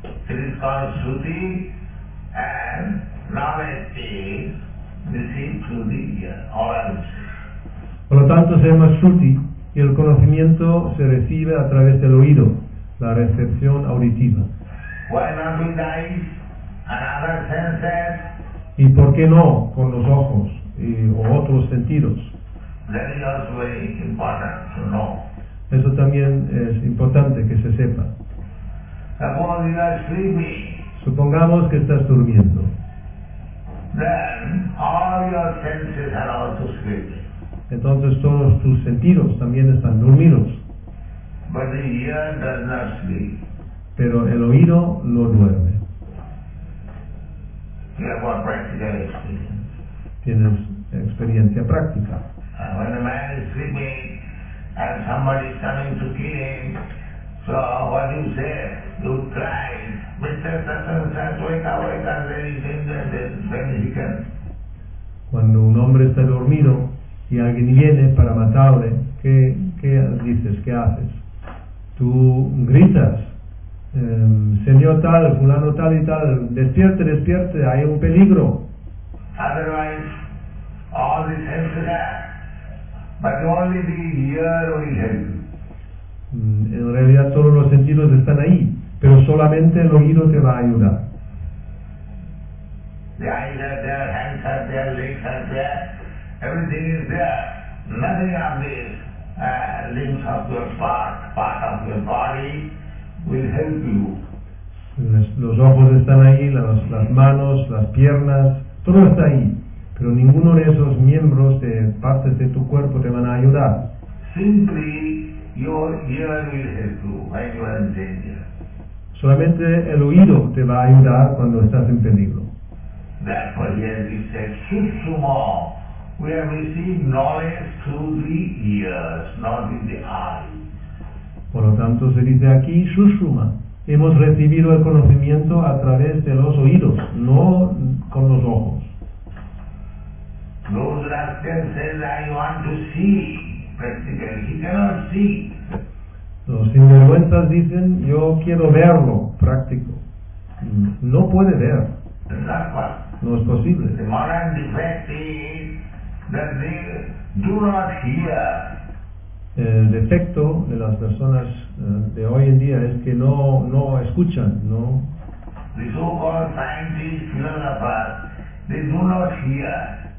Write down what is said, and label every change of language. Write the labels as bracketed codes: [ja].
[en] It is called Shruti, and knowledge is received through the ear, oral. [es] Por lo tanto, se llama Shruti, y el conocimiento se recibe a través del oído, la recepción auditiva. [en] Why not with eyes and other senses? [es] ¿Y por qué no con los ojos y, o otros sentidos? [en] That is also very important to know. [es] Eso también es importante que se sepa. [en] Suppose you are sleeping. [es] Supongamos que estás durmiendo. [en] Then all your senses are also sleeping. [es] Entonces todos tus sentidos también están dormidos. [en] But the ear does not sleep. [es] Pero el oído no duerme. [en] You have one practical experience. [es] Tienes experiencia práctica. [en] And when a man is sleeping and somebody is coming to kill him, so what you say, you cry, Mr. Tatsang, wake up, wake up, there is danger, then he can. [es] Cuando un hombre está dormido, si alguien viene para matarle, ¿qué dices? ¿Qué haces? Tú gritas, señor tal, fulano tal y tal, despierte, despierte, hay un peligro. [en] Otherwise, all the senses are, but only the ear will help. [es] En realidad, todos los sentidos están ahí, pero solamente el oído te va a ayudar. [en] The eyes are there, hands are there, legs are there. Everything is there. Nothing of these limbs of your part of your body will help you. [es] Los ojos están ahí, las manos, las piernas, todo está ahí. Pero ninguno de esos miembros de partes de tu cuerpo te van a ayudar. [en] Simply your ear will help you when you are in danger. [es] Solamente el oído te va a ayudar cuando estás en peligro. [en] Therefore, he said, "Sumo." We have received knowledge through the ears, not in the eye. [es] Por lo tanto, se dice aquí, Sushruma, hemos recibido el conocimiento a través de los oídos, no con los ojos. [en] Those rascals say, I want to see. Practically, he cannot see. [es] Los sinvergüenzas dicen, yo quiero verlo, práctico. No puede ver. No es posible. [en] The modern defect is that they do not hear. [es] El defecto de las personas de hoy en día es que no escuchan, ¿no? [en] The so-called scientists, philosophers, they do not hear.